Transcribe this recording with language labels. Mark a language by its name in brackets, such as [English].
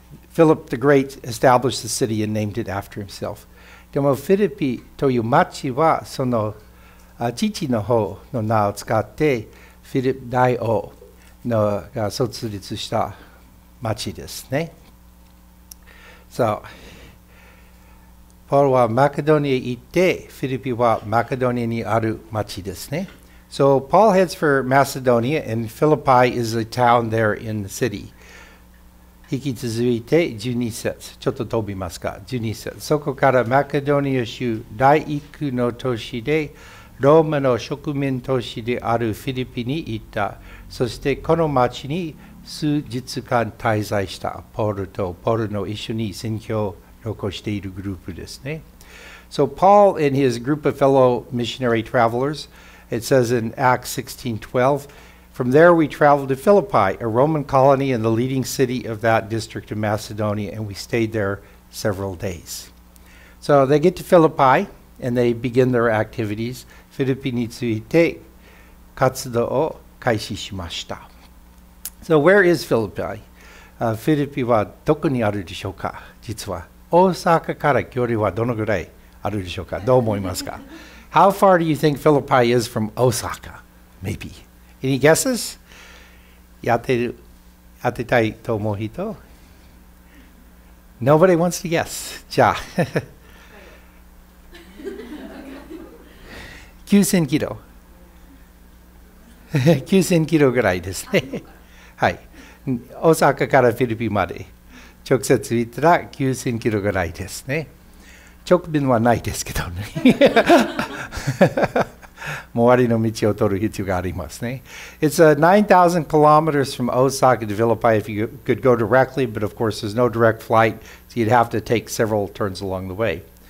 [English] Philip the Great established the city and named it after himself. [Japanese] でもフィリピという町はその父の方の名を使ってフィリップ大王のが設立した町ですね。 So, Paul はマケドニアに行ってフィリピはマケドニアにある町ですね。 [English] So Paul heads for Macedonia and Philippi is a town there in the city. [Japanese] 引き続いて12節ちょっと飛びますか12節そこからマケドニア州第一区の都市でローマの植民都市であるフィリピに行ったそしてこの町に数日間滞在したポールとポールの一緒に宣教を残しているグループですね。 [English] So Paul and his group of fellow missionary travelers, it says in Acts 16:12,From there we traveled to Philippi, a Roman colony and the leading city of that district of Macedonia, and we stayed there several days. So they get to Philippi and they begin their activities. [Japanese] フィリピについて活動を開始しました。 [English] So where is Philippi? [Japanese] フィリピはどこにあるでしょうか?実は大阪から距離はどのぐらいあるでしょうか? どう思いますか? [English] How far do you think Philippi is from Osaka? Maybe. Any guesses? [Japanese] やってたいと思う人? [English] Nobody wants to guess. [Japanese] じゃあ。 9000キロ。9000キロぐらいですね。はい。大阪からフィリピンまで。直接行ったら9000キロぐらいですね。直便はないですけどね。周りの道を取る必要がありますね。 [English] It's 9,000 kilometers from Osaka to Philippi if you could go directly, but of course there's no direct flight, so you'd have to take several turns along the way.